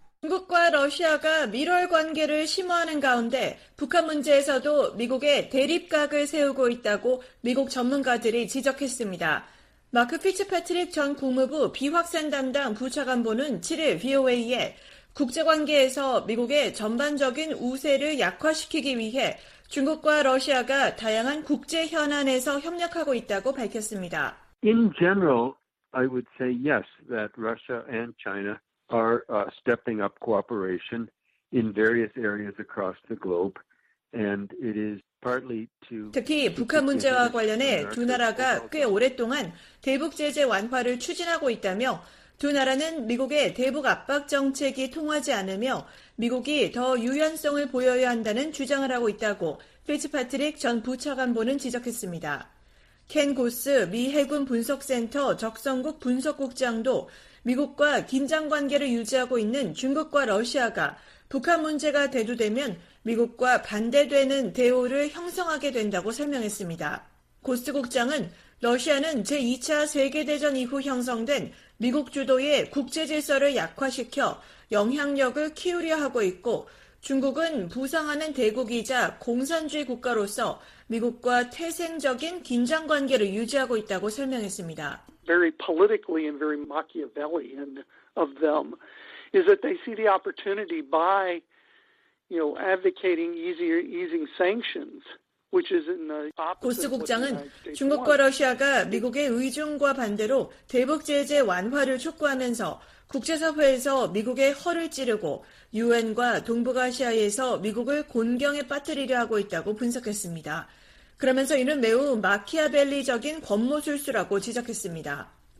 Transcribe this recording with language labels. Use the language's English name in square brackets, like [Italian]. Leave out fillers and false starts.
[Korean] 중국과 러시아가 밀월 관계를 심화하는 가운데 북한 문제에서도 미국의 대립각을 세우고 있다고 미국 전문가들이 지적했습니다. 마크 피츠패트릭 전 국무부 비확산 담당 부차관보는 7일 VOA에 국제관계에서 미국의 전반적인 우세를 약화시키기 위해 중국과 러시아가 다양한 국제 현안에서 협력하고 있다고 밝혔습니다. [English] In general, I would say yes, that Russia and China are stepping up cooperation in various areas across the globe and it is partly to [Korean] 특히 북한 문제와 관련해 두 나라가 꽤 오랫동안 대북 제재 완화를 추진하고 있다며 두 나라는 미국의 대북 압박 정책이 통하지 않으며 미국이 더 유연성을 보여야 한다는 주장을 하고 있다고 피츠패트릭 전 부차관보는 지적했습니다. 켄 고스 미 해군 분석센터 적성국 분석국장도 미국과 긴장 관계를 유지하고 있는 중국과 러시아가 북한 문제가 대두되면 미국과 반대되는 대우를 형성하게 된다고 설명했습니다. 고스 국장은 러시아는 제2차 세계대전 이후 형성된 미국 주도의 국제질서를 약화시켜 영향력을 키우려 하고 있고 중국은 부상하는 대국이자 공산주의 국가로서 미국과 태생적인 긴장 관계를 유지하고 있다고 설명했습니다. [English] Very politically and very Machiavellian of them is that they see the opportunity by, you know, advocating easing sanctions, which is in the opposite of what the United States wants. [Korean] 국장은 중국과 러시아가 미국의 의중과 반대로 대북 제재 완화를 촉구하면서 국제사회에서 미국의 허를 찌르고 유엔과 동북아시아에서 미국을 곤경에 빠뜨리려 하고 있다고 분석했습니다. 그러면서 이는 매우 마키아벨리적인 권모술수라고 지적했습니다.